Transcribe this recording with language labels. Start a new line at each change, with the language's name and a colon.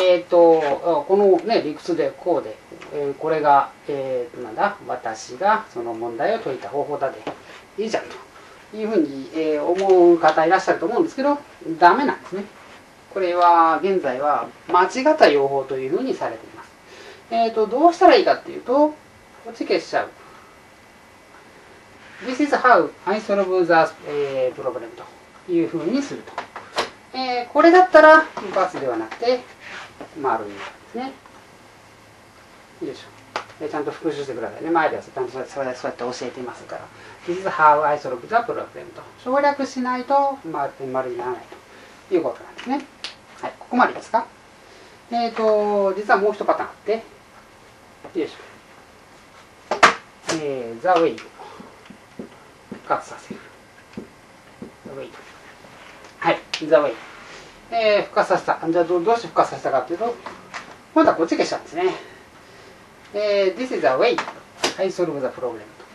Japanese: このね、理屈でこうで、これが、なんだ、私がその問題を解いた方法だで、いいじゃんというふうに、思う方いらっしゃると思うんですけど、ダメなんですね。これは、現在は、間違った用法というふうにされています。どうしたらいいかっていうと、こっち消しちゃう。
English: This is how I solve the problem
Japanese: というふうにすると。これだったら、バスではなくて、丸になるんですね。よいしょ。ちゃんと復習してくださいね。前ではちゃんとそうやって教えていますから。
English: This is how I solve the problem と。
Japanese: 省略しないと、丸にならないということなんですね。はい、ここまでですか。実はもう一パターンあって、よいしょ。
English: The way
Japanese: を復活させる。
English: The way。 はい、The way。
Japanese: 復活させた。じゃあどうして復活させたかというと、今度はこっち消したんですね。
English: This is the way I solve the problem と。